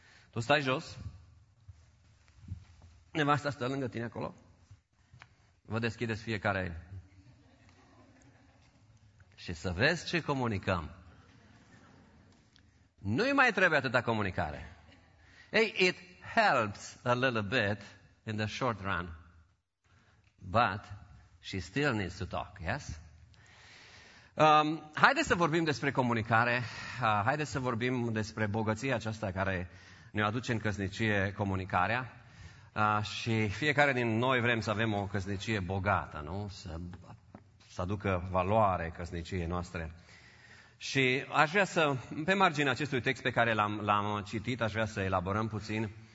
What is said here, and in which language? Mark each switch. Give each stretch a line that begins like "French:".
Romanian: Tu stai jos, nevasta stă lângă tine acolo, vă deschideți fiecare și să vezi ce comunicăm. Nu-i mai trebuie atâta comunicare.
English: Hey, it helps a little bit in the short run, but she still needs to talk, yes?
Romanian: Haideți să vorbim despre comunicare, haideți să vorbim despre bogăția aceasta care ne aduce în căsnicie comunicarea. Și fiecare din noi vrem să avem o căsnicie bogată, nu? Să aducă valoare căsniciei noastre. Și aș vrea să, pe marginea acestui text pe care l-am citit, aș vrea să elaborăm puțin.